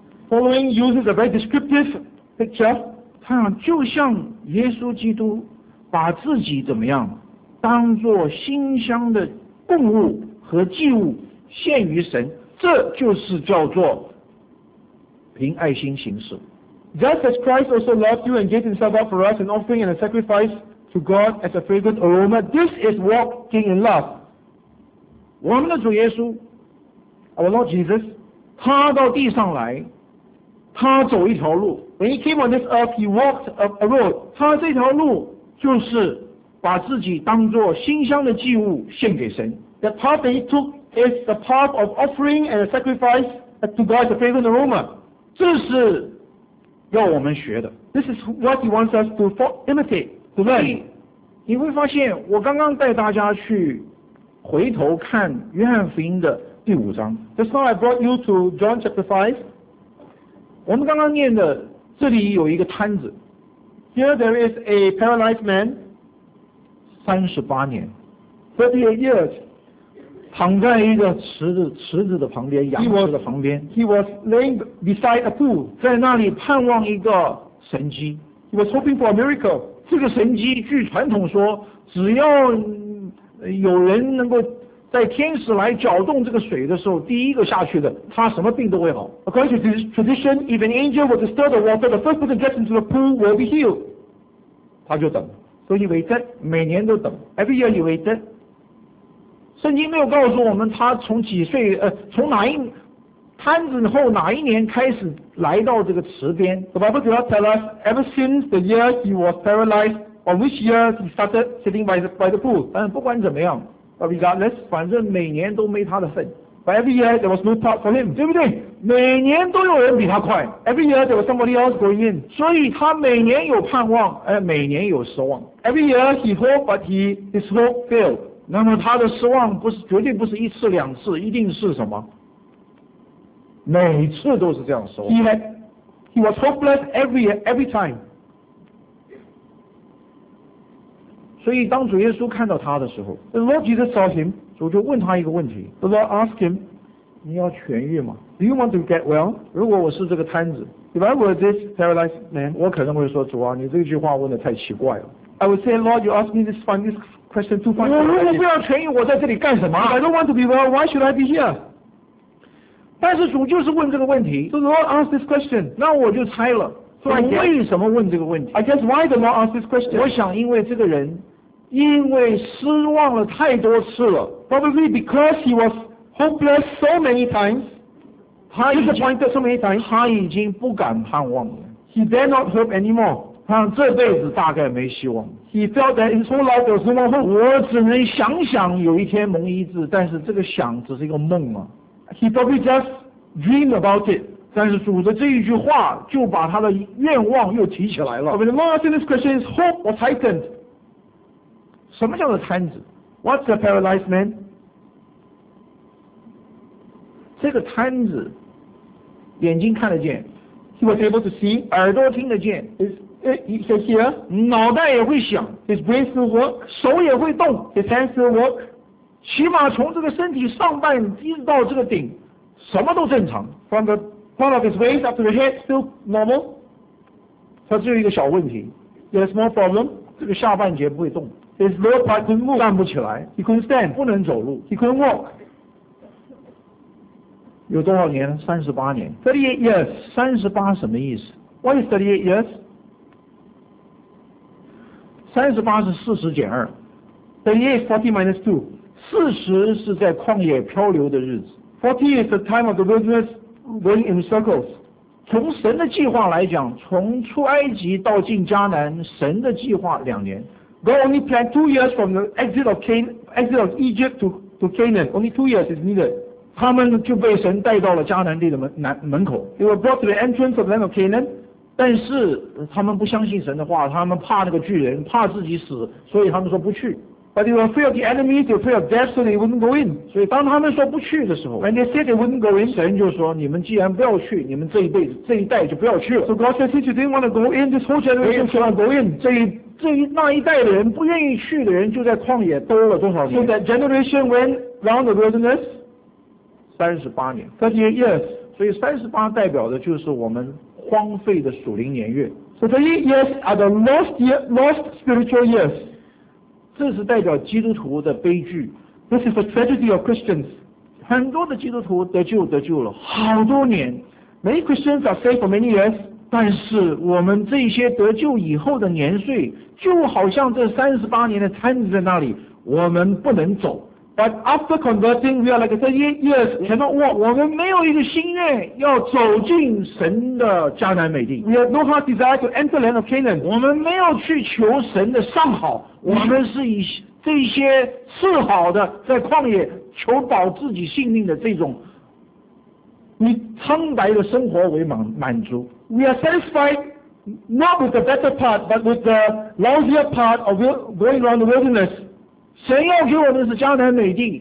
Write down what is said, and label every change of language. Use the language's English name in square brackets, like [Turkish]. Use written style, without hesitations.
[English] Following uses a very descriptive picture. [Chinese] 他讲就像耶稣基督把自己怎么样当作馨香的供物和祭物献于神，这就是叫做凭爱心行事。 [English] Just as Christ also loved you and gave himself up for us an offering and a sacrifice to God as a fragrant aroma, this is walking in love. [Chinese] 我们的主耶稣 [English] Our Lord Jesus, [Chinese] 他到地上来，他走一条路。 [English] When he came on this earth, he walked a road. [Chinese] 他这条路就是把自己当作馨香的祭物献给神。 [English] The path that he took is the path of offering and a sacrifice to God as a fragrant aroma. [Chinese] 这是要我们学的。 [English] This is what he wants us to imitate, to learn. [Chinese] 你会发现，我刚刚带大家去回头看约翰福音的第五章。 [English] Just now I brought you to John chapter 5. [Chinese] 我们刚刚念的这里有一个瘫子。 [English] Here there is a paralyzed man. [Chinese] 38年。 [English] 38 years. [Chinese] 躺在一个池子的旁边，养池的旁边。 [English] He was laying beside a pool. [Chinese] 在那里盼望一个神迹。 [English] He was hoping for a miracle. [Chinese] 这个神迹据传统说，只要有人能够在天使来搅动这个水的时候，第一个下去的，他什么病都会好。 [English] According to this tradition, if an angel were to stir the water, the first person gets into the pool will be healed. [Chinese] 他就等。 [English] So he waited. [Chinese] 每年都等。 [English] Every year he waited. [Chinese] 圣经没有告诉我们他从几岁从哪一摊子后哪一年开始来到这个池边。 [English] The Bible did not tell us ever since the year he was paralyzed, on which year he started sitting by the pool. [Chinese] 但不管怎么样 [English] but regardless, [Chinese] 反正每年都没他的份。 [English] But every year there was no part for him, [Chinese] 对不对？每年都有人比他快。 [English] Every year there was somebody else going in. [Chinese] 所以他每年有盼望每年有失望。 [English] Every year he hoped, but his hope failed. [Chinese] 那么他的失望不是绝对不是一次两次，一定是什么？每次都是这样失望。 [English] He was hopeless every time. [Chinese] 所以当主耶稣看到他的时候 [English] ，The Lord Jesus saw him. [Chinese] 主就问他一个问题。 [English] The Lord asked him, [Chinese] 你要痊愈吗 [English] ？Do you want to get well? [Chinese] 如果我是这个瘫子 [English] ，If I were this paralyzed man, [Chinese] 我可能会说主啊，你这句话问的太奇怪了。 [English] I would say, Lord, you ask me this funny question too funny. [Chinese] 我如果不要痊愈，我在这里干什么 [English] ？I don't want to be well. Why should I be here? [Chinese] 但是主就是问这个问题。 [English] So the Lord asked this question. [Chinese] 那我就猜了。 [English] So I guess, [Chinese] 为什么问这个问题 [English] ？I guess why the Lord asked this question. [Chinese] 我想因为这个人，因为失望了太多次了。 [English] Probably because he was hopeless so many times. Disappointed so many times. [Chinese] 他已经不敢盼望了。 [English] He dare not hope anymore. [Chinese] 他这辈子大概没希望。 [English] He felt that his whole life was no more hope. [Chinese] 我只能想想有一天蒙医治，但是这个想只是一个梦嘛。 [English] He probably just dreamed about it. [Chinese] 但是主的这一句话就把他的愿望又提起来了。 [English] But the Lord's next question is hope was heightened. [Chinese] 什么叫做瘫子 [English] ？What's a paralyzed man? [Chinese] 这个瘫子眼睛看得见 [English] ，He was able to see. [Chinese] 耳朵听得见 [English] He can hear. [Chinese] 脑袋也会想 [English] His brain still work. [Chinese] 手也会动 [English] His hands still work. [Chinese] 起码从这个身体上半一直到这个顶，什么都正常 [English] From the front of his waist up to the head, still normal. [Chinese] 他只有一个小问题 [English] There's more problem. [Chinese] 这个下半截不会动 [English] His lower part couldn't move. [Chinese] 站不起来 [English] He couldn't stand. [Chinese] 不能走路 [English] He couldn't walk. [Chinese] 有多少年？38年。 [English] 38 years. [Chinese] 38什么意思 [English] ？What is 38 years? [Chinese] 38是40-2 [English] 38 is 40-2 [Chinese] 40是在旷野漂流的日子 [English] 40 is the time of the wilderness going in circles [Chinese] 从神的计划来讲从出埃及到进迦南神的计划2年 [English] God only planned 2 years from the exit of Egypt to Canaan only 2 years is needed [Chinese] 他们就被神带到了迦南地的 门口 [English] They were brought to the entrance of the land of Canaan [Chinese] 但是他们不相信神的话他们怕那个巨人怕自己死所以他们说不去 [English] But they were afraid of the enemy they were afraid of death so they wouldn't go in [Chinese] 所以当他们说不去的时候 [English] When they said they wouldn't go in [Chinese] 神就说你们既然不要去你们这一辈子这一代就不要去了 [English] So God said since you didn't want to go in this whole generation should not go in [Chinese] 那一代的人不愿意去的人就在旷野兜了多少年 [English] So that generation went round the wilderness [Chinese] 38年 [English] 38 years [Chinese] 所以38代表的就是我们荒废的属灵年月 [English] So the years are the lost spiritual years [Chinese] 这是代表基督徒的悲剧 [English] This is the tragedy of Christians [Chinese] 很多的基督徒得救了好多年 [English] Many Christians are saved for many years [Chinese] 但是我们这些得救以后的年岁就好像这38年的摊子在那里我们不能走 [English] But after converting we are like 38 years cannot walk [Chinese] 我们没有一个心愿要走进神的迦南美地 [English] We have no heart desire to enter the land of Canaan [Chinese] 我们没有去求神的上好我们是以这些次好的在旷野求保自己性命的这种以苍白的生活为满足 [English] We are satisfied not with the better part but with the lousier part of going around the wilderness [Chinese] 神要给我们的是迦南美地